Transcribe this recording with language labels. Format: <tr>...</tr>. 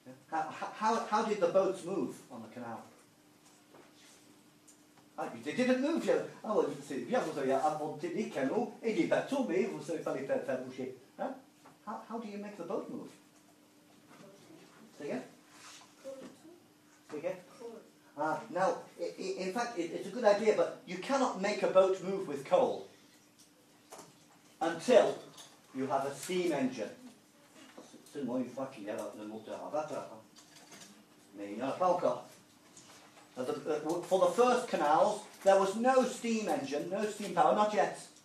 <en>How did the boats move on the canal? They didn't move.</en> <fr>Ah, vous savez, c'est bien, vous avez inventé des canaux et des bateaux, mais vous ne savez pas les faire bouger.</fr> <en>How do you make the boat move? Say again. Now, in fact, it's a good idea, but you cannot make a boat move with coal until you have a steam engine.</en> <fr>Seulement une fois qu'il y a le moteur à vapeur. Mais il n'y en a pas encore.</fr> <en>For the first canals, there was no steam engine, no steam power, not yet.</en>